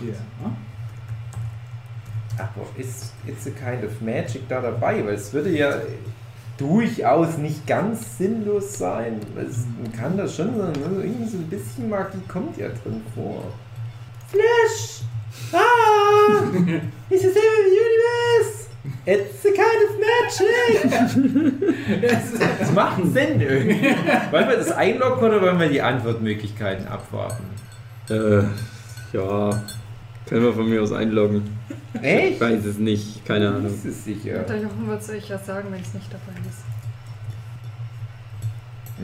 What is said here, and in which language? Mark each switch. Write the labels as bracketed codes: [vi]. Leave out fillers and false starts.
[en] Yeah. [de] Aber ist It's a Kind of Magic da dabei? Weil es würde ja durchaus nicht ganz sinnlos sein. Man kann das schon sein. Also irgendwie so ein bisschen Magie kommt ja drin vor. [en] Flash! Ah! It's the same with the universe! It's a kind of magic! [de] Das macht einen Sinn irgendwie. Wollen wir das einloggen oder wollen wir die Antwortmöglichkeiten abwarten? Ja. Können wir von mir aus einloggen. Echt? Ich weiß es nicht, keine Ahnung. Das ist sicher. Und dann hoffen wir, soll ich was sagen, wenn es nicht dabei ist.